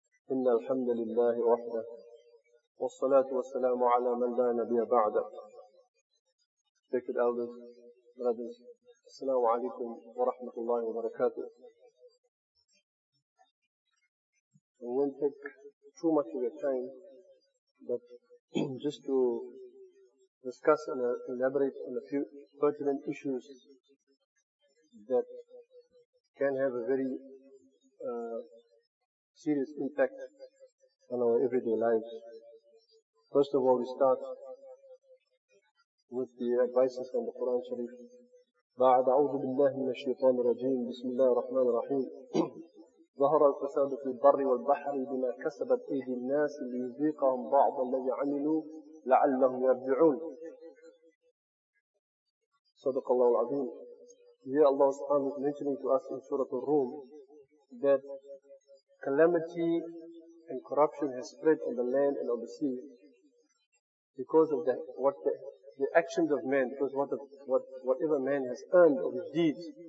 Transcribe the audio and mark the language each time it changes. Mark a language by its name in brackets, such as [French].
[Arabic] إن الحمد لله وحده والصلاة والسلام على من لا نبي بعده. [English] Take it, elders, brothers. [Arabic] السلام عليكم ورحمة الله وبركاته. [English] We won't take too much of your time, but just to discuss and elaborate on a few pertinent issues that can have a very serious impact on our everyday lives. First of all, we start with the advices from the Quran Sharif. [Arabic] بعد أعوذ بالله من الشيطان الرجيم بسم الله الرحمن الرحيم ظهر الفساد في البر والبحر بما كسبت أيدي الناس ليذيقهم بعض الذي عملوا لعلهم يرجعون. صدق الله العظيم. [English] Here Allah subhanahu wa ta'ala is mentioning to us in Surah Al-Rum that calamity and corruption has spread on the land and on the sea because of the actions of man, because whatever man has earned of his deeds.